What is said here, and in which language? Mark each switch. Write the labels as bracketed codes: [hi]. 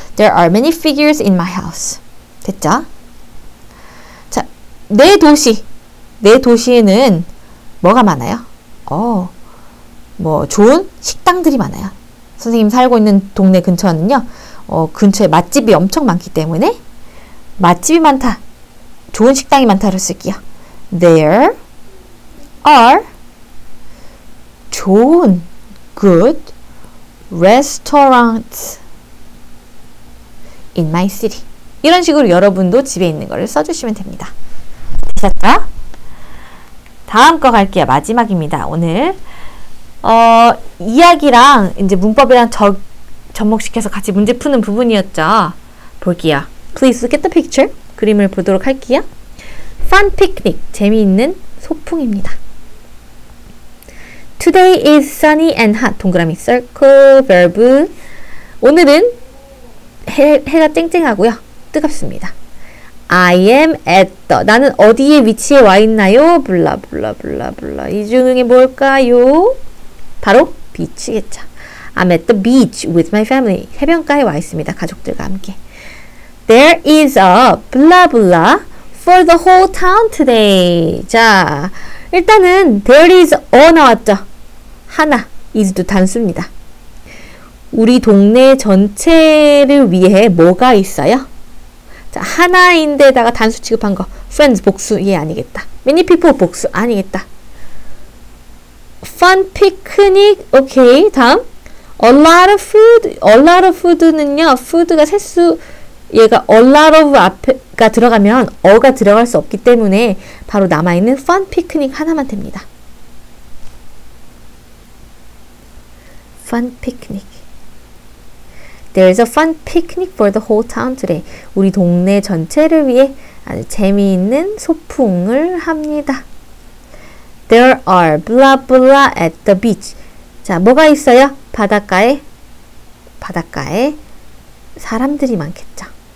[en] There are many figures in my house. [ko] 됐죠? 자, 내 도시. 내 도시에는 뭐가 많아요? 뭐 좋은 식당들이 많아요. 선생님 살고 있는 동네 근처는요. 근처에 맛집이 엄청 많기 때문에 맛집이 많다. 좋은 식당이 많다를 쓸게요. [en] There are [ko] 좋은 [en] good restaurants in my city. [ko] 이런 식으로 여러분도 집에 있는 거를 써주시면 됩니다. 되셨죠? 다음 거 갈게요. 마지막입니다. 오늘 이야기랑 이제 문법이랑 접목시켜서 같이 문제 푸는 부분이었죠. 볼게요. [en] Please look at the picture. [ko] 그림을 보도록 할게요. [en] Fun picnic. [ko] 재미있는 소풍입니다. [en] Today is sunny and hot. [ko] 동그라미 [en] circle, verb. [ko] 오늘은 해가 쨍쨍하고요. 뜨겁습니다. [en] I am at the. [ko] 나는 어디에 위치해 와 있나요? 블라블라블라블라. 이 중에 뭘까요? 바로 비치겠죠. [en] I'm at the beach with my family. [ko] 해변가에 와 있습니다. 가족들과 함께. [en] There is a [ko] 블라블라 [en] for the whole town today. [ko] 자, 일단은 [en] there is a [ko] 나왔죠. 하나, is도 단수입니다. 우리 동네 전체를 위해 뭐가 있어요? 자, 하나인데다가 단수 취급한 거. [en] Friends, [ko] 복수, 예, 아니겠다. [en] Many people, [ko] 복수, 아니겠다. [en] Fun picnic, okay, [ko] 다음. [en] A lot of food [ko] 는요, food가 셋수, 얘가 [en] a lot of [ko] 앞에가 들어가면 어가 들어갈 수 없기 때문에 바로 남아있는 fun picnic 하나만 됩니다. [en] Fun picnic. There's a fun picnic for the whole town today. [ko] 우리 동네 전체를 위해 아주 재미있는 소풍을 합니다. [en] There are blah blah at the beach. [ko] 자, 뭐가 있어요? 바닷가에? 바닷가에 사람들이 많겠죠.